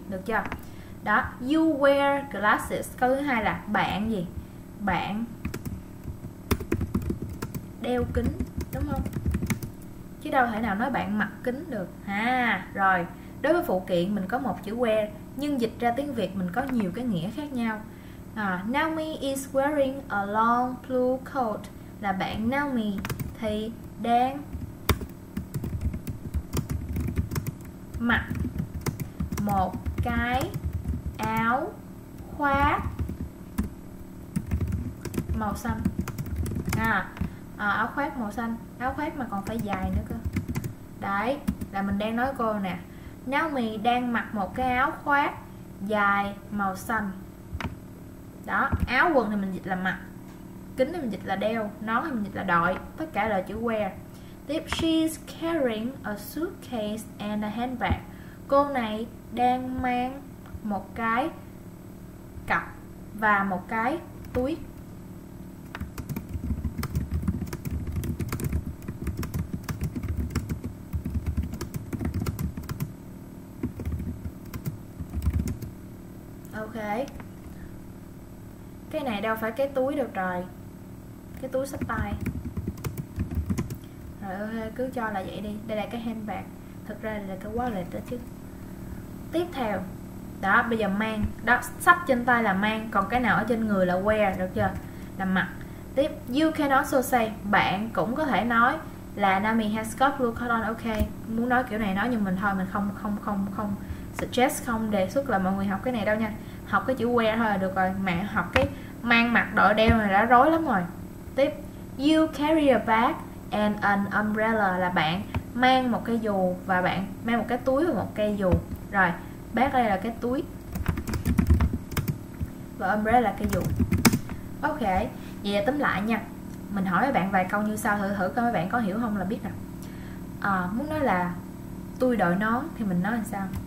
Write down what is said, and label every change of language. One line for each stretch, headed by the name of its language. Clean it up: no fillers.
Vietnamese: Được chưa? Đó.
English: You wear glasses.
Vietnamese: Câu thứ hai là bạn gì? Bạn đeo kính. Đúng không? Chứ đâu thể nào nói bạn mặc kính được. À, rồi. Đối với phụ kiện mình có một chữ wear, nhưng dịch ra tiếng Việt mình có nhiều cái nghĩa khác nhau.
English: Naomi is wearing a long blue coat.
Vietnamese: Là bạn Naomi thì đang mặc một cái áo khoác màu xanh. Áo khoác màu xanh. Áo khoác mà còn phải dài nữa cơ. Đấy, là mình đang nói cô nè. Naomi đang mặc một cái áo khoác dài màu xanh. Đó, áo quần thì mình dịch là mặc, kính thì mình dịch là đeo, nón thì mình dịch là đội. Tất cả là chữ wear.
English: Tiếp, she's carrying a suitcase and a handbag.
Vietnamese: Cô này đang mang một cái cặp và một cái túi. Ok. Cái này đâu phải cái túi đâu trời. Cái túi xách tay. Rồi ok, cứ cho là vậy đi. Đây là cái handbag. Thực ra là cái wallet đó chứ. Tiếp theo. Đó, bây giờ mang. Đó, xách trên tay là mang. Còn cái nào ở trên người là wear. Được chưa? Là mặc.
English: Tiếp, you can also say.
Vietnamese: Bạn cũng có thể nói là
English: Naomi has got blue coat on. Ok.
Vietnamese: Muốn nói kiểu này nói nhưng mình thôi. Mình không suggest, không đề xuất là mọi người học cái này đâu nha. Học cái chữ wear thôi là được rồi. Mẹ học cái mang mặc đội đeo này đã rối lắm rồi.
English: Tiếp, you carry a bag and an umbrella.
Vietnamese: Là bạn mang một cái dù và bạn mang một cái túi và một cây dù. Rồi, bag đây là cái túi và umbrella là cây dù. Ok, vậy là tóm lại nha. Mình hỏi các bạn vài câu như sau. Thử coi các bạn có hiểu không là biết nè. Muốn nói là tôi đội nón thì mình nói làm sao?